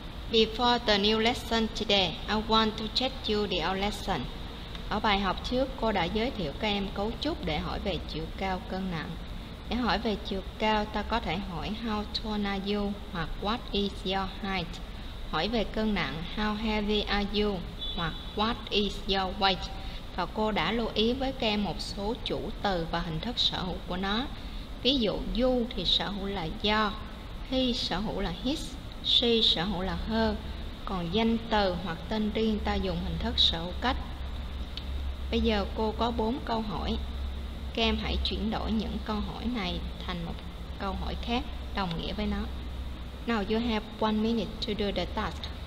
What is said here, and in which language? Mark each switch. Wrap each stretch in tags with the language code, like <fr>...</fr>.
<en>Before the new lesson today, I want to check you the old lesson.</en> <vi>Ở bài học trước, cô đã giới thiệu các em cấu trúc để hỏi về chiều cao cân nặng. Để hỏi về chiều cao, ta có thể hỏi</vi> <en>How tall are you?</en> <vi>Hoặc</vi> <en>What is your height?</en> <vi>Hỏi về cân nặng,</vi> <en>How heavy are you?</en> <vi>Hoặc</vi> <en>What is your weight?</en> <vi>Và cô đã lưu ý với các em một số chủ từ và hình thức sở hữu của nó. Ví dụ, you thì sở hữu là do, he sở hữu là his, she sở hữu là her. Còn danh từ hoặc tên riêng ta dùng hình thức sở hữu cách. Bây giờ cô có 4 câu hỏi. Các em hãy chuyển đổi những câu hỏi này thành một câu hỏi khác đồng nghĩa với nó.</vi> <en>Now you have 1 minute to do the task.</en>